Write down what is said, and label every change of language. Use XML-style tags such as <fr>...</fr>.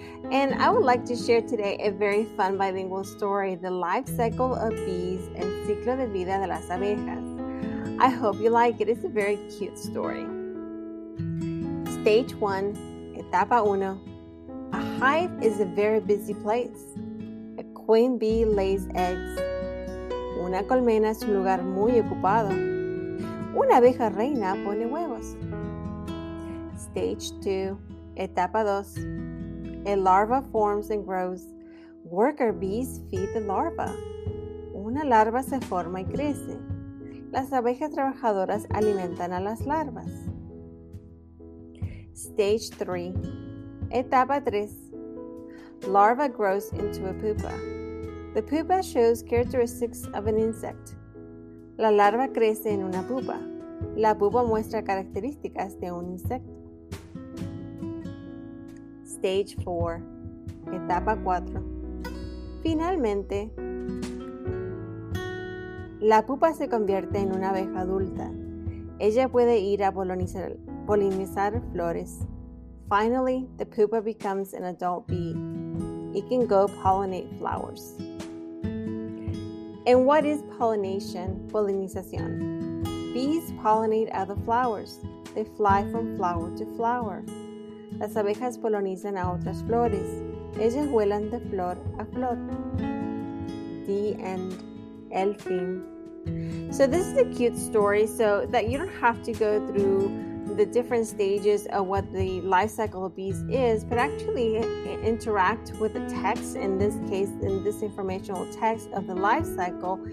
<en>And I would like to share today a very fun bilingual story, The Life Cycle of Bees,</en> <es>El Ciclo de Vida de las Abejas.</es> <en>I hope you like it. It's a very cute story. Stage 1,</en> <es>Etapa 1.</es> <en>A hive is a very busy place. A queen bee lays eggs.</en> <es>Una colmena es un lugar muy ocupado. Una abeja reina pone huevos.</es> <en>Stage 2,</en> <es>Etapa 2.</es> <en>A larva forms and grows. Worker bees feed the larva.</en> <es>Una larva se forma y crece. Las abejas trabajadoras alimentan a las larvas.</es> <en>Stage 3,</en> <es>Etapa 3.</es> <en>Larva grows into a pupa. The pupa shows characteristics of an insect.</en> <es>La larva crece en una pupa. La pupa muestra características de un insecto.</es> <en>Stage 4,</en> <es>Etapa 4. Finalmente, la pupa se convierte en una abeja adulta. Ella puede ir a polinizar flores.</es> <en>Finally, the pupa becomes an adult bee. It can go pollinate flowers. And what is pollination? Polinización. Bees pollinate other flowers. They fly from flower to flower.</en> <es>Las abejas polinizan a otras flores. Ellas vuelan de flor a flor.</es> <en>The end.</en> <es>El fin.</es> <en>So this is a cute story so that you don't have to go through the different stages of what the life cycle of bees is, but actually interact with the text, in this case, in this informational text of the life cycle.</en>